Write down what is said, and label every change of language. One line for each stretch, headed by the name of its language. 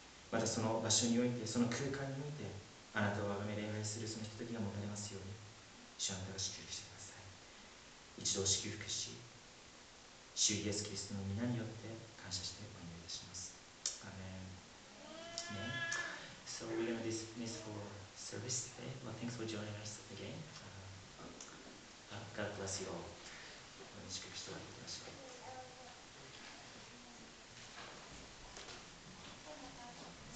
Japanese: またその場所において、その空間において、あなたを崇め礼拝するそのひとときが持たれますように、主あなたが祝福してください。一度祝福し、主イエスキリストの皆によって感謝してお祈りいたします。アメン。
English: So we're going to dismiss for service today. Well, thanks for joining us again. God bless you all.
Japanese: 祝福しておいてください。